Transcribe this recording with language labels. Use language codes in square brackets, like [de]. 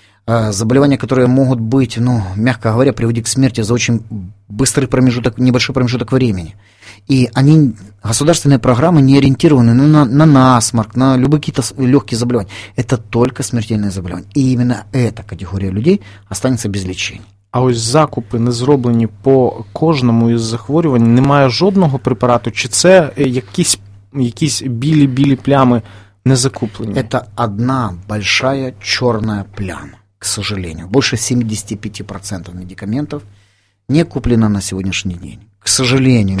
[ru] Заболевания, которые могут быть, ну, мягко говоря, приводить к смерти за очень быстрый промежуток, небольшой промежуток времени. И они, государственные программы, не ориентированы на насморк, на любые какие-то легкие заболевания. Это только смертельные заболевания. И именно эта категория людей останется без лечения. [uk] А ось закупи не зроблені по кожному із захворювань, немає жодного препарату, чи це якісь білі-білі плями не закуплені? [ru] Это одна большая черная пляма, к сожалению. Больше 75% медикаментов не куплено на сегодняшний день. К сожалению.